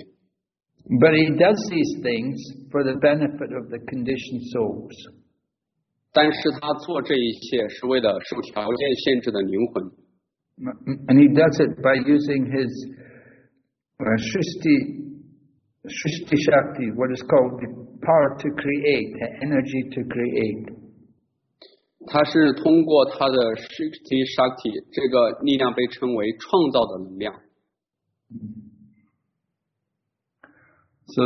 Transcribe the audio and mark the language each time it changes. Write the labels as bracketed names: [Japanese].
[English] he does these things for the benefit of the conditioned souls. [Chinese] 但是他做这一切是为了受条件限制的灵魂。 [English] And he does it by using his Shristi Shakti, what is called the power to create, the energy to create. [Chinese] 他是通过他的 Shakti Shakti 这个力量被称为创造的能量。 [English] So